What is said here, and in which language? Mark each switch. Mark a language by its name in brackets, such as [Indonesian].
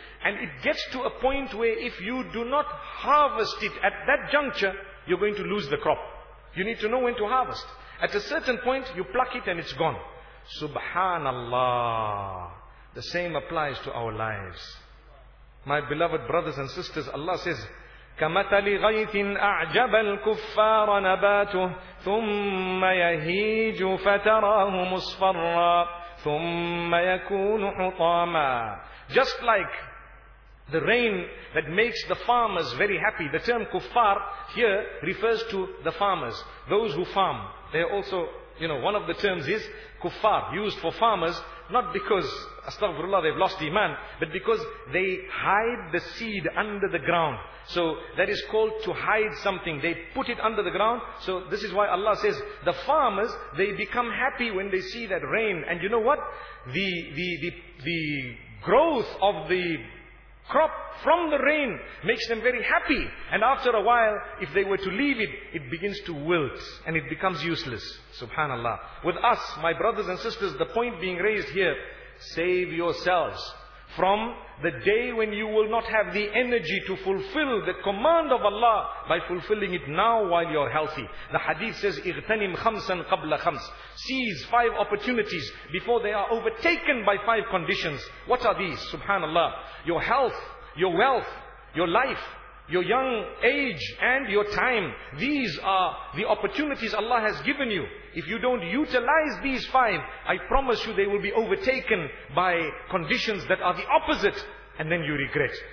[English] And it gets to a point where if you do not harvest it at that juncture, you're going to lose the crop. You need to know when to harvest. At a certain point, you pluck it and it's gone. Subhanallah. The same applies to our lives. My beloved brothers and sisters, Allah says, [Arabic] كَمَثَلِ غَيْثٍ أَعْجَبَ الْكُفَّارَ نَبَاتُهُ ثُمَّ يَهِيجُ فَتَرَاهُ مُصْفَرًّا ثُمَّ يَكُونُ حُطَامًا. [English] Just like the rain that makes the farmers very happy. The term kuffar here refers to the farmers, those who farm. They are also, you know, one of the terms is kuffar, used for farmers, not because, astaghfirullah, they've lost iman, but because they hide the seed under the ground. So that is called to hide something. They put it under the ground. So this is why Allah says, the farmers, they become happy when they see that rain. And you know what? The growth of the crop from the rain makes them very happy. And after a while, if they were to leave it, it begins to wilt and it becomes useless. Subhanallah. With us, my brothers and sisters, the point being raised here, save yourselves from the day when you will not have the energy to fulfill the command of Allah by fulfilling it now while you're healthy. The hadith says, [Arabic] اغتنم خمسا قبل خمس. [English] Seize five opportunities before they are overtaken by five conditions. What are these? Subhanallah. Your health, your wealth, your life, your young age, and your time. These are the opportunities Allah has given you. If you don't utilize these five, I promise you they will be overtaken by conditions that are the opposite, and then you regret.